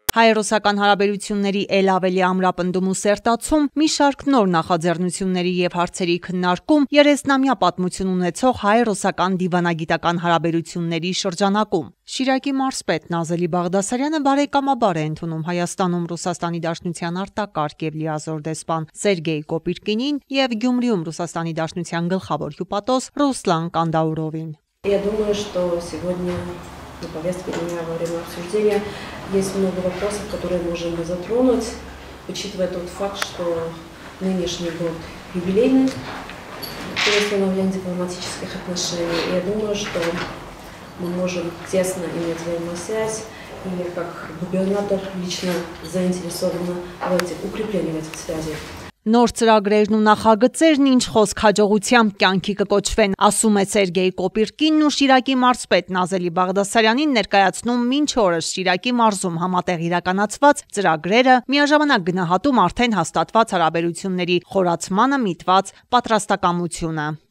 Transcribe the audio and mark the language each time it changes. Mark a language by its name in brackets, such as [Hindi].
[Armenian] Հայ-ռուսական հարաբերությունների էլ ավելի ամրապնդում ու սերտացում, մի շարք նոր նախաձեռնությունների և հարցերի քննարկում, 30-ամյա պատմություն ունեցող հայ-ռուսական դիվանագիտական հարաբերությունների շրջանակում։ Շիրակի մարզպետ Նազելի Բաղդասարյանը բարեկամաբար է ընդունում Հայաստանում Ռուսաստանի Դաշնության արտակարգ և լիազոր դեսպան Սերգեյ Կոպիրկինին և Գյումրիում Ռուսաստանի Դաշնության գլխավոր հյուպատոս Ռուսլան Կանդաուրովին։ [Russian] На повестке дня во время обсуждения есть много вопросов, которые можем мы затронуть, учитывая тот факт, что нынешний год юбилейный при установлении дипломатических отношений. Я думаю, что мы можем тесно иметь взаимосвязь и как губернатор лично заинтересована в этих укреплении этих связей. [Armenian] Նոր ծրագրերն ու նախագծերն ինչ խոսք հաջողությամբ կյանքի կկոչվեն, ասում է Սերգեյ Կոպիրկինն ու Շիրակի մարզպետ Նազելի Բաղդասարյանին ներկայացնում մինչ օրս Շիրակի մարզում համատեղ իրականացված ծրագրերը, միաժամանակ գնահատում արդեն հաստատված հարաբերությունների խորացմանը միտված պատրաստակամությունը։